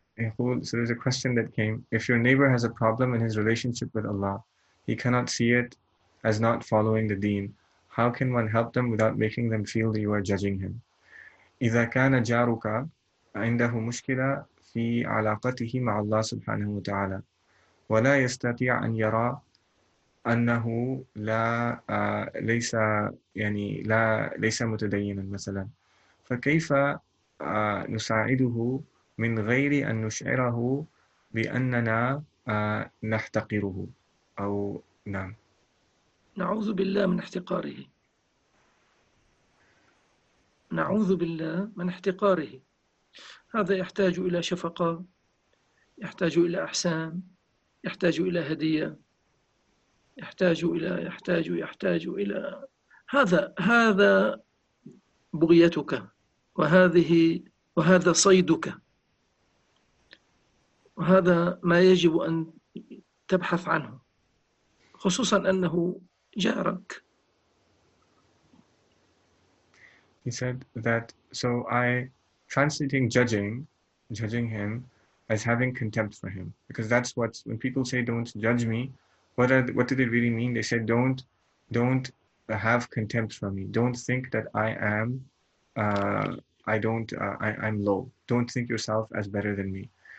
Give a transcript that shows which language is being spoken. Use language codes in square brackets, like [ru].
[ar] يقول, [en] so there's a question that came. If your neighbor has a problem in his relationship with Allah, he cannot see it as not following the deen, how can one help them without making them feel that you are judging him? [ar] إذا كان جارك عنده مشكلة في علاقته مع الله سبحانه وتعالى ولا يستطيع أن يرى أنه لا ليس يعني لا ليس متدينا مثلا فكيف نساعده من غير أن نشعره بأننا نحتقره أو نعم نعوذ بالله من احتقاره نعوذ بالله من احتقاره هذا يحتاج إلى شفقة، يحتاج إلى إحسان، يحتاج إلى هدية، يحتاج إلى هذا بغيتك، وهذا صيدك، وهذا ما يجب أن تبحث عنه، خصوصا أنه جارك. [en] He said that, so I, translating judging him as having contempt for him, because that's what, when people say don't judge me, what do they really mean? They say don't have contempt for me, don't think that I am, I'm low, don't think yourself as better than me.